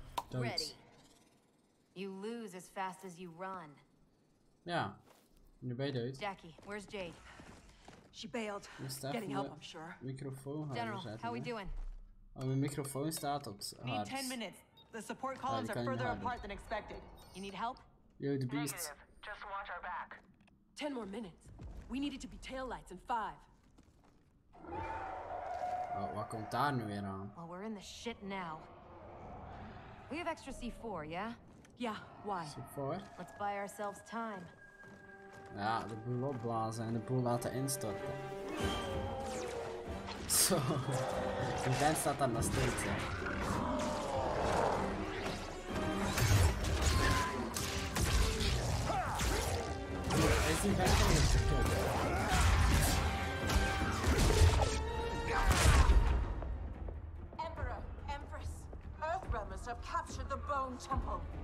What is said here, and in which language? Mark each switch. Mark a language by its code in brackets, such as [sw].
[en] Ready. You lose as fast as you run. [nl] Ja. Nu ben je dood. [en] Jackie, where's Jade? She bailed. Getting help, I'm sure. [nl] Microfoon. [en] General, how we doing? [nl] Oh, mijn microfoon staat op. [en] Need 10 minutes. The support columns are further apart than expected. You need help? Yo, the beast. Just watch our back. 10 more minutes. We needed to be tail lights in 5. [nl] Oh, wat komt daar nu weer aan? [en] Well, we're in the shit now. We have extra C4, yeah? Yeah, why? C4? Let's buy ourselves time. [nl] Ja, de boel opblazen en de boel laten instorten. Zo, die vent staat daar nog steeds, hè. Is die vent nog eens gekomen? [en] Emperor, Empress, Earthrealm must have captured the Bone Temple.